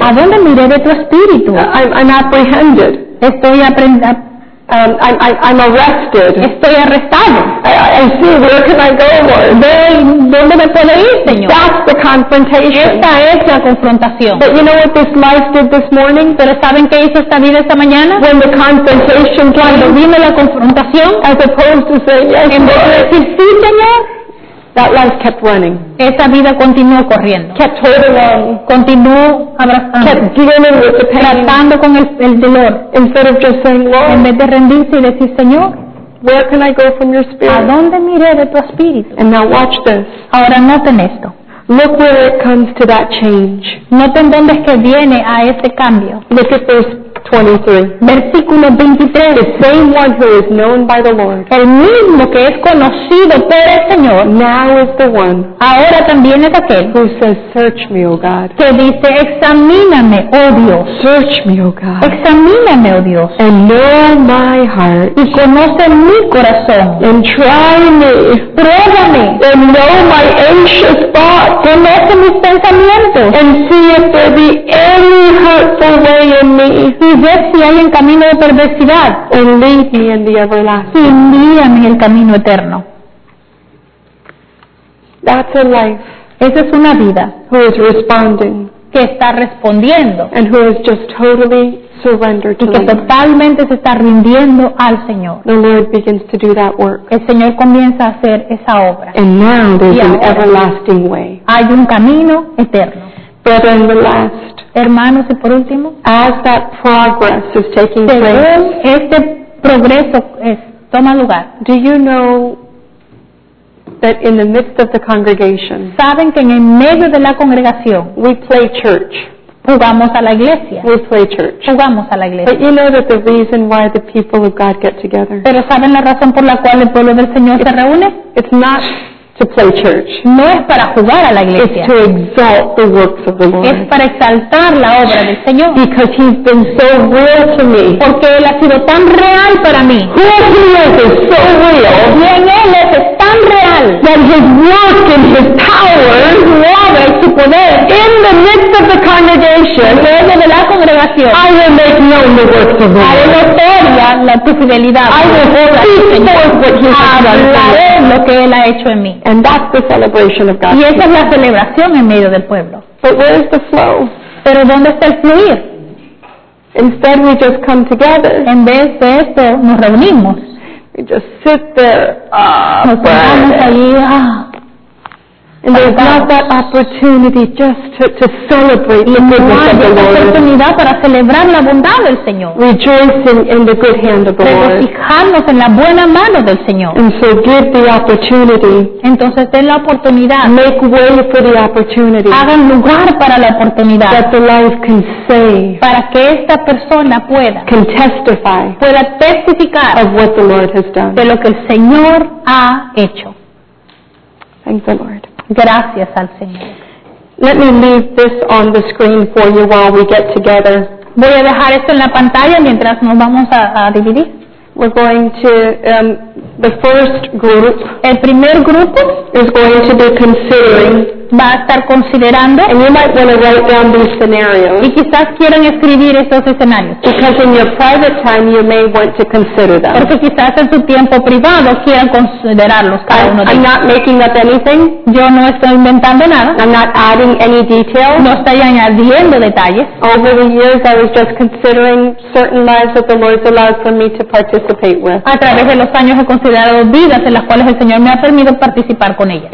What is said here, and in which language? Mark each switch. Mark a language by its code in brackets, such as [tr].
[es] ¿A dónde miré de tu espíritu? [en] I'm apprehended. [es] Estoy [en] I'm arrested. [es] Estoy arrestado. [en] I see, where can I go, Lord? [es] ¿Dónde me puedo ir, Señor? [en] That's the confrontation. [es] Esta es la confrontación. [en] But you know what this life did this morning? [es] ¿Pero saben qué hizo esta vida esta mañana? [en] When the confrontation came. [es] Cuando vino la confrontación. [en] As opposed to say, yes, [es] en En vez de decir, sí, Señor. [en] That life kept running. [es] Esa vida continuó corriendo. [en] Kept holding on. [es] Continuó abrazando. [en] Kept dealing with the pain. [es] Tratando con el dolor. [en] Instead of just saying, Lord. [es] En vez de rendirse y decir, Señor. [en] Where can I go from your spirit? [es] ¿A dónde miré de tu espíritu? [en] And now watch this. [es] Ahora noten esto. [en] Look where it comes to that change. [es] Noten dónde es que viene a ese cambio. [en] Look at verse 23. [es] Versículo 23. [en] The same one who is known by the Lord. [es] El mismo que es conocido por el Señor. [en] Now is the one. [es] Ahora también es aquel. [en] Who says, search me, oh God. [es] Que dice, examíname, oh Dios. [en] Search me, oh God. [es] Examíname, oh Dios. [en] And know my heart. [es] Y conoce mi corazón. [en] And try me. [es] Pruébame. [en] And know my anxious thoughts. [es] Conoce mis pensamientos. [en] And see if there be any hurtful way in me. [es] Y ve si hay en camino de perversidad. [en] And lead me in the everlasting. [es] Y guíame en el camino eterno. [en] That's a life. [es] Esa es una vida. [en] Who is responding. [es] Que está respondiendo. [en] And who is just totally surrendered to [es] y que totalmente se está rindiendo al Señor. [en] The Lord begins to do that work. [es] El Señor comienza a hacer esa obra. [en] And now there's [es] ahora, [en] an everlasting way. [es] Hay un camino eterno. [en] But in the last, [es] hermanos, y por último, [en] as that progress is taking place, [es] este progreso es, toma lugar. [en] Do you know that in the midst of the congregation, [es] saben que en medio de la congregación, [en] we play church. [es] Jugamos a la iglesia. [en] We play church. [es] Jugamos a la iglesia. [en] But you know that the reason why the people of God get together. [es] Pero saben la razón por la cual el pueblo del Señor se reúne. [en] It's not to play church. [es] No es para jugar a la iglesia. [en] It's to exalt the works of the Lord. [es] Es para exaltar la obra del Señor. [en] Because he's been so real to me. [es] Porque él ha sido tan real para mí. [en] Who he is so real. [es] Quien él es tan real. [en] That his work and his power. [es] Su obra y su poder. [en] In the midst of the congregation. [es] En medio de la congregación. [en] I will make known the works of the Lord. [es] Haré notoria la tu fidelidad. [en] I will [es] hablaré lo que él ha hecho en mí. [en] And that's the celebration of God. [es] Y esa es la celebración en medio del pueblo. [en] But where is the flow? [es] Pero ¿dónde está el fluir? [en] Instead we just come together. [es] En vez de esto nos reunimos. [en] We just sit there. [es] Nos quedamos allí. [en] And there's not that opportunity just to celebrate the goodness of the Lord. [es] No hay esa oportunidad para celebrar la bondad del Señor. [en] Rejoicing in the good hand of the Lord. [es] Regocijarnos en la buena mano del Señor. [en] And so give the opportunity. [es] Entonces den la oportunidad. [en] Make way for the opportunity. [es] Hagan lugar para la oportunidad. [en] That the life can say. [es] Para que esta persona pueda. [en] Can testify. [es] Pueda testificar. [en] Of what the Lord has done. [es] De lo que el Señor ha hecho. [en] Thank the Lord. [es] Gracias al Señor. [en] Let me leave this on the screen for you while we get together. [es] Voy a dejar esto en la pantalla mientras nos vamos a dividir. [en] We're going to The first group [es] el primer grupo [en] is going to be considering, [es] va a estar considerando, [en] and you might want to write down these scenarios, [es] y quizás quieran escribir estos escenarios, [en] because in your private time you may want to consider them. [es] Porque quizás en su tiempo privado quieran considerarlos cada uno de [en] ellos. I'm not making up anything. [es] Yo no estoy inventando nada. [en] I'm not adding any details. [es] No estoy añadiendo detalles. [en] Over the years I was just considering certain lives that the Lord allowed for me to participate with. [es] A través de los años he considerado vidas en las cuales el Señor me ha permitido participar con ellas.